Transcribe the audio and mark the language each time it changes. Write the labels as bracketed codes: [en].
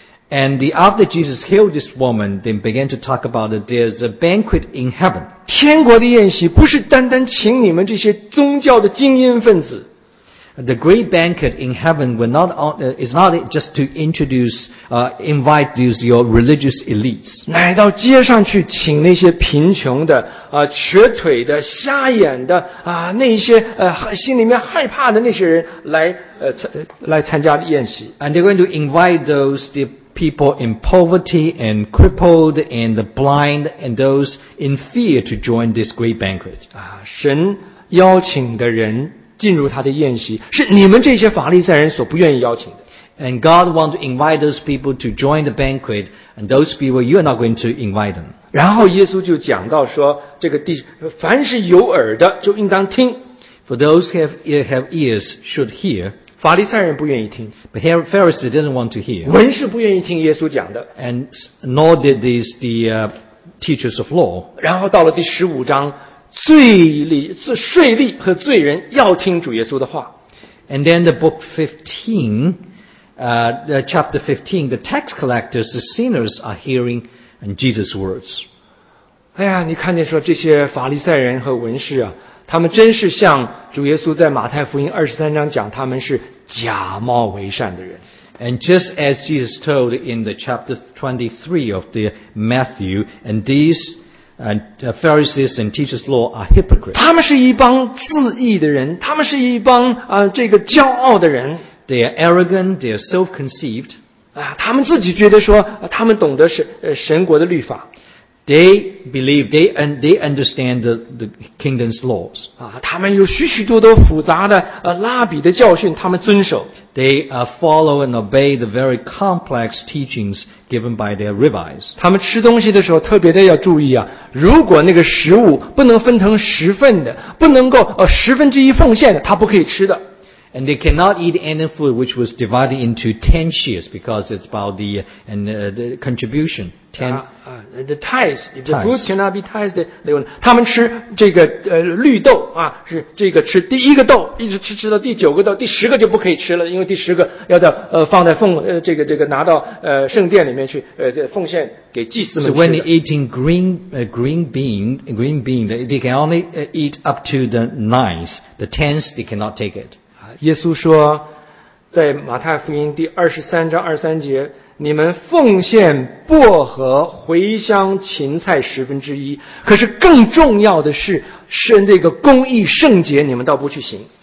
[en] And after Jesus healed this woman, they began to talk about that there's a banquet in heaven. [zh] 天国的宴席不是单单请你们这些宗教的精英分子。 [en] The great banquet in heaven will not, is not just to introduce, invite these your religious elites. [zh] 乃到街上去请那些贫穷的、瘸腿的、瞎眼的、那些、心里面害怕的那些人来、来参加宴席。 [en] And they're going to invite those the people in poverty and crippled and the blind and those in fear to join this great banquet. [zh] 神邀请的人进入他的宴席是你们这些法利赛人所不愿意邀请的。 [en] And God wants to invite those people to join the banquet, and those people you are not going to invite them. [zh] 然后耶稣就讲到说，这个地凡是有耳的就应当听。 [en] For those have ears should hear. [zh] 法利赛人不愿意听。 [en] But Pharisees didn't want to hear. [zh] 文士不愿意听耶稣讲的。 [en] And nor did these the teachers of law. [zh] 然后到了第十五章。税吏和罪人要听主耶稣的话。 [en] And then the book 15, the chapter 15, the tax collectors, the sinners are hearing Jesus' words. [zh] 哎呀，你看见说这些法利赛人和文士啊，他们真是像主耶稣在马太福音23章讲，他们是假冒为善的人。 [en] And just as Jesus told in the chapter 23 of the Matthew, and these And Pharisees and teachers law are hypocrites. [zh] 他们是一帮自义的人，他们是一帮这个骄傲的人。 [en] They are arrogant. They are self-conceived. [zh] 他们自己觉得说他们懂得神国的律法。 [en] They believe, they understand the kingdom's laws. [zh] 啊，他们有许许多多复杂的拉比的教训，他们遵守。 [en] They follow and obey the very complex teachings given by their rabbis. [zh] 他们吃东西的时候特别的要注意啊，如果那个食物不能分成十份的，不能够十分之一奉献的，他不可以吃的。 [en] And they cannot eat any food which was divided into 10 shears because it's about the contribution. The tithes, the food cannot be tithed. [zh] 他们吃这个绿豆啊，是这个吃第一个豆，一直吃到第九个豆，第十个就不可以吃了，因为第十个要在放在奉这个拿到圣殿里面去奉献给祭司们吃的。 [en] So when they're eating green bean, they can only eat up to the ninth. The tenth, they cannot take it. [zh] 耶稣说，在马太福音第23:23，你们奉献薄荷、茴香、芹菜十分之一，可是更重要的是，是那个公义圣洁，你们倒不去行。